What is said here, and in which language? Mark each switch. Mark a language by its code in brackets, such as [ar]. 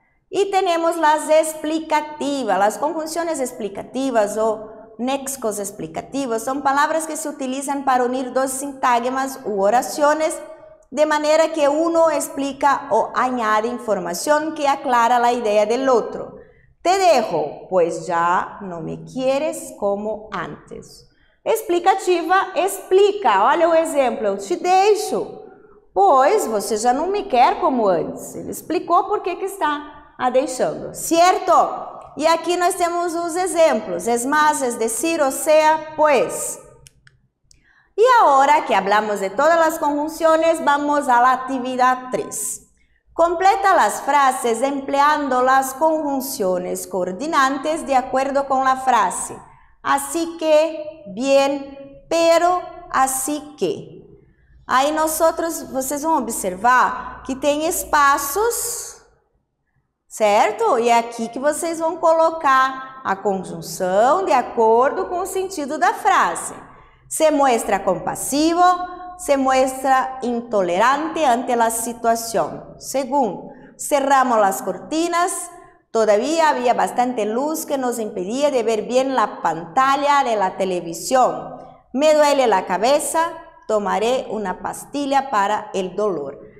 [pt] E temos as explicativas. As conjunções explicativas ou nexos explicativos são palavras que se utilizam para unir dois sintagmas ou orações, de maneira que uno explica ou añade informação que aclara a ideia del outro. [es] Te dejo, pues ya no me quieres como antes. [pt] Explicativa, explica. Olha o exemplo. Eu te deixo, pois você já não me quer como antes. Ele explicou por que que está a deixando, certo? E aqui nós temos os exemplos. [es] Es más, es decir, o sea, pues. [pt] E agora que [es] hablamos [pt] de todas as conjunções, vamos à atividade 3. [es] Completa las frases empleando las conjunciones coordinantes de acuerdo con la frase. Así que, bien, pero, así que. [pt] Aí vocês vão observar que tem espaços, certo? E é aqui que vocês vão colocar a conjunção de acordo com o sentido da frase. [es] Se muestra compassivo, se muestra intolerante ante la situación. Segundo, cerramos las cortinas. Todavía había bastante luz que nos impedía de ver bien la pantalla de la televisión. Me duele la cabeza. Tomaré una pastilla para el dolor.